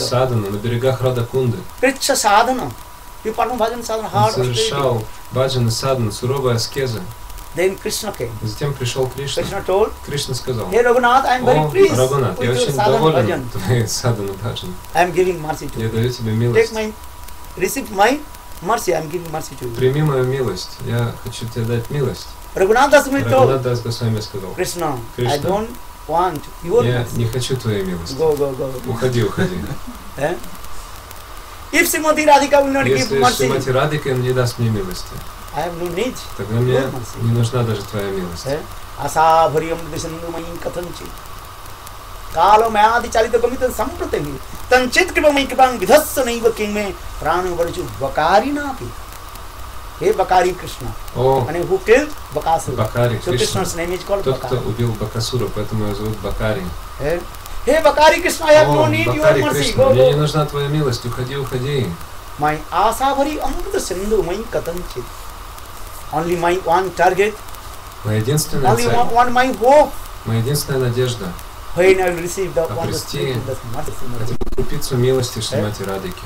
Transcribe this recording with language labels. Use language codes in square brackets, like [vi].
[ru] садхана на берегах Рада Кунды. Притча садхана. Он совершал бхаджан из садхана, суровая аскеза. [en] Then Krishna came. [ru] Затем пришел Кришна. [en] Krishna told, [ru] Krishna сказал, [en] hey, Рагхунатха, I'm very pleased. [ru] О, Рагхунатха, я очень доволен твоей садхана бхаджан. [en] I'm giving mercy to [ru] я даю тебе милость. [en] Take my, receive my mercy, I'm giving mercy to you. [ru] Прими мою милость, я хочу тебе дать милость. Рагхунатха с Госвами сказал, [en] Krishna, Krishna, I don't want your [ru] милость. Я не хочу твоей милости. [en] Go, go, go. [ru] Уходи, уходи. [en] If Srimati Radhika will not give mercy, [ru] если Srimati Radhika не даст мне милости, [en] I have no need. [ru] Тогда мне не нужна даже твоя милость. [sa] Аса бхариям дешанду майин катанчи. Кало мая ади чалита гамитан сампратеми. Танчит крипа майин крипаан видасса наива кингме. Прану варчу вакари напи. [en] Hey Bakari Krishna. Oh. And who killed Bakasura? Bakari so Krishna. Krishna's name is called Bakari. [ru] Тот, кто убил Бакасуру, поэтому его зовут Бакари. [en] Hey Bakari Krishna, I have no need your mercy. Go, go. [ru] Мне не нужна твоя милость, уходи, уходи. [en] My [sa] asabhari amrita sindhu mai katanchit. [en] Only my one target. [ru] Моя единственная [en] only [ru] цель. [en] Only one my hope. [ru] Моя единственная надежда. [en] When I receive the [ru] обрести, купить свою милость Шримати Радхике.